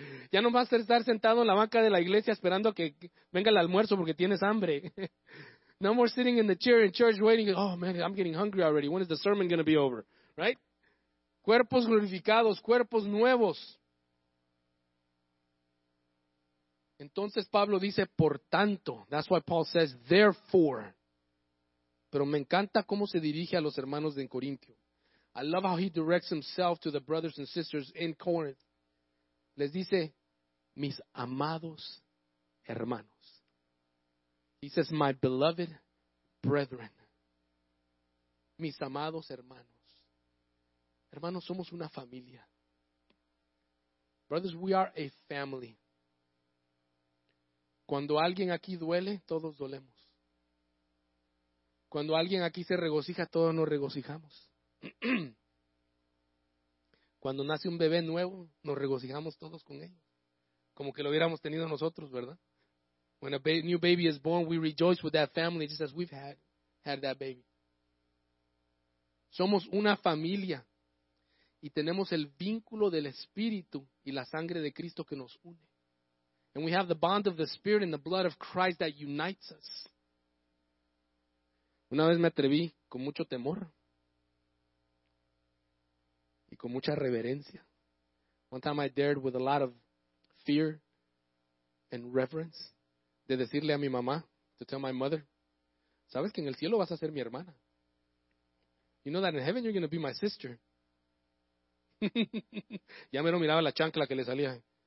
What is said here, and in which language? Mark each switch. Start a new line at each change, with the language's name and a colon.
Spanish: Ya no más estar sentado en la banca de la iglesia esperando a que venga el almuerzo porque tienes hambre.
English: No more sitting in the chair in church waiting. Oh, man, I'm getting hungry already. When is the sermon going to be over? Right?
Spanish: Cuerpos glorificados, cuerpos nuevos. Entonces Pablo dice, por tanto.
English: That's why Paul says, therefore.
Spanish: Pero me encanta cómo se dirige a los hermanos de Corintio.
English: I love how he directs himself to the brothers and sisters in Corinth.
Spanish: Les dice, mis amados hermanos.
English: He says, my beloved brethren.
Spanish: Mis amados hermanos. Hermanos, somos una familia.
English: Brothers, we are a family.
Spanish: Cuando alguien aquí duele, todos dolemos. Cuando alguien aquí se regocija, todos nos regocijamos. Cuando nace un bebé nuevo, nos regocijamos todos con él. Como que lo hubiéramos tenido nosotros, ¿verdad?
English: When a new baby is born, we rejoice with that family just as we've had that baby.
Spanish: Somos una familia y tenemos el vínculo del Espíritu y la sangre de Cristo que nos une.
English: And we have the bond of the Spirit and the blood of Christ that unites us.
Spanish: Una vez me atreví con mucho temor. Y con mucha reverencia.
English: One time I dared with a lot of fear and reverence
Spanish: de decirle a mi mamá,
English: to tell my mother,
Spanish: ¿sabes que en el cielo vas a ser mi hermana?
English: You know that in heaven you're going to be my sister.
Spanish: Ya mero miraba la chancla que le salía.